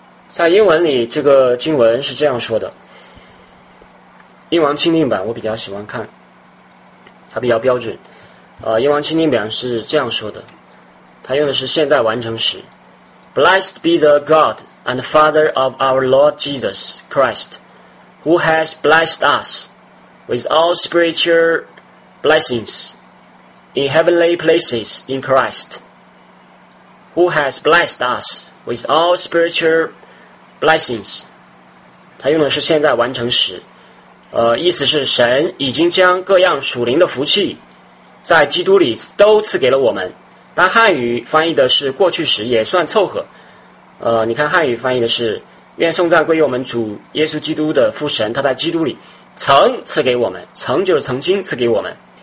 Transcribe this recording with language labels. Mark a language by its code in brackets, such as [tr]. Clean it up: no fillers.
[zh] 在英文里，这个经文是这样说的。英王钦定版我比较喜欢看，它比较标准。英王钦定版是这样说的，它用的是现在完成时。 [en] Blessed be the God and Father of our Lord Jesus Christ, who has blessed us with all spiritual blessings in heavenly places in Christ. Who has blessed us with all spiritual blessings. [zh] 它用的是现在完成时。意思是神已经将各样属灵的福气在基督里都赐给了我们。但汉语翻译的是过去时也算凑合。你看汉语翻译的是愿颂赞归于我们主耶稣基督的父神，他在基督里曾赐给我们，曾就是曾经赐给我们。